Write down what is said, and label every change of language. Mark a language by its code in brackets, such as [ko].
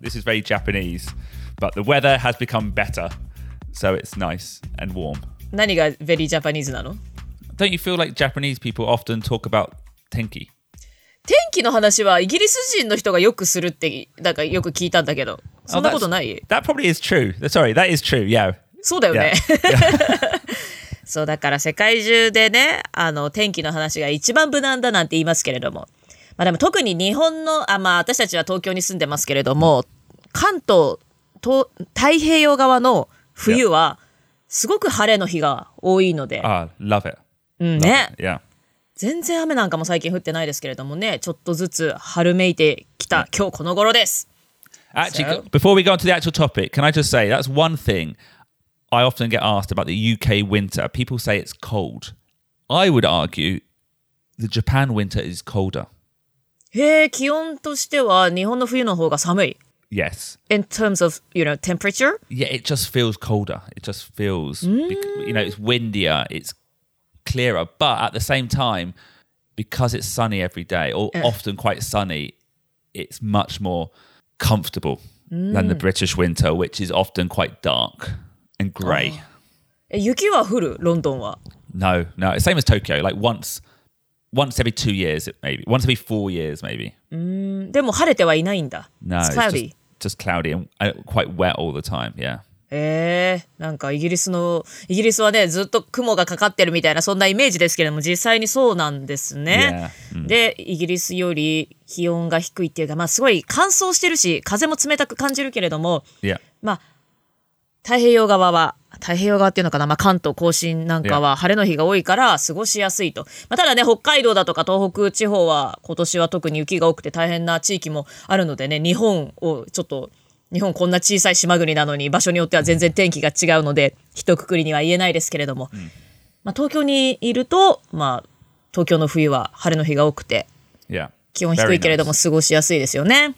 [en] This is very Japanese, but the weather has become better, so it's nice and warm. [ja] 何が [en] very Japanese [ja] なの? [en] Don't you feel like Japanese people often talk about 天気? [ja] 天気の話はイギリス人の人がよくするってなんかよく聞いたんだけど、そんなことない? [en] That probably is true. Sorry, that is true. Yeah. [ja] そうだよね。 [en] Yeah. [ja] そうだから世界中でね、あの天気の話が一番無難だなんて言いますけれども。まあ、でも特に日本の、あ、まあ、私たちは東京に住んでますけれども、関東、太平洋側の冬はすごく晴れの日が多いので。 [en] あ、love it。 ね。Love it. Yeah. [ja] 全然雨なんかも最近降ってないですけれどもね、ちょっとずつ春めいてきた、今日この頃です。 [en] Actually, so, before we go on to the actual topic, can I just say, that's one thing I often get asked about the UK winter. People say it's cold. I would argue the Japan winter is colder. へえ、気温としては日本の冬の方が寒い。 Yes. In terms of, you know, temperature? Yeah, it just feels colder. It just feels, you know, it's windier, it's clearer. But at the same time, because it's sunny every day, or often quite sunny, it's much more comfortable than the British winter, which is often quite dark and grey. [ja] 雪は降る、ロンドンは? [en] No, no. Same as Tokyo, like once every 2 years, maybe. Once every 4 years, maybe. [ja] でも晴れてはいないんだ。 [en] No, it's cloudy. Just cloudy and quite wet all the time, yeah. [ja] なんかイギリスはね、ずっと雲がかかってるみたいな、そんなイメージですけれども、実際にそうなんですね。で、イギリスより気温が低いっていうか、まあすごい乾燥してるし、風も冷たく感じるけれども、 [en] yeah. [ja] まあ、太平洋側は、太平洋側っていうのかな、まあ、関東甲信なんかは晴れの日が多いから過ごしやすいと、まあ、ただね北海道だとか東北地方は今年は特に雪が多くて大変な地域もあるのでね、日本をちょっと日本こんな小さい島国なのに場所によっては全然天気が違うので一括りには言えないですけれども、まあ、東京にいると、まあ、東京の冬は晴れの日が多くて気温低いけれども過ごしやすいですよね。